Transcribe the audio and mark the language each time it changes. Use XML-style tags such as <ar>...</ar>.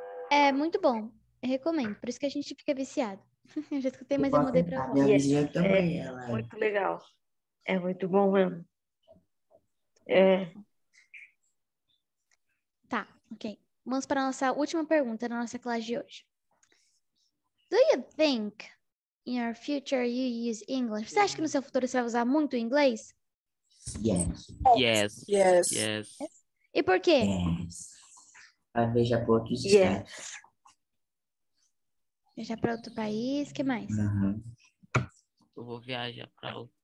<pt>É muito bom. Eu recomendo. Por isso que a gente fica viciado. Eu já escutei, mas eu mudei para a minha vizinha também. É muito legal. É muito bom mesmo. É... Ok, vamos para a nossa última pergunta na nossa classe de hoje.</pt> <en>Do you think in your future you use English?</en> <pt>Você acha que no seu futuro você vai usar muito inglês?</pt> <en>Yes. Yes. Yes. Yes.</en> <pt>E por quê? Yes. Veja para outro país. Yes. Veja para outro país, o que mais? Uh-huh. Eu vou viajar para outro</pt>